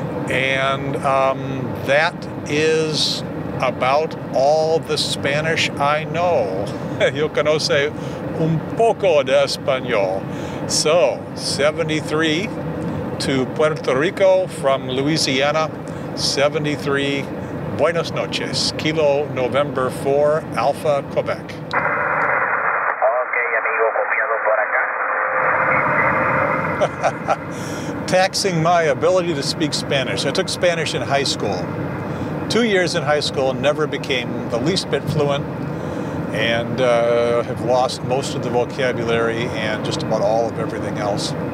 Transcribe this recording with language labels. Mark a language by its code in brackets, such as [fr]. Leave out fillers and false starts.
[en] And that is about all the Spanish I know. [es] Yo conoce un poco de español. [en] So, 73. To Puerto Rico from Louisiana, 73, [es] Buenos Noches, [en] Kilo November 4, Alpha, Quebec. [es] Okay, amigo, copiado por acá. [en] Taxing my ability to speak Spanish. I took Spanish in high school. 2 years in high school, never became the least bit fluent, and have lost most of the vocabulary and just about all of everything else.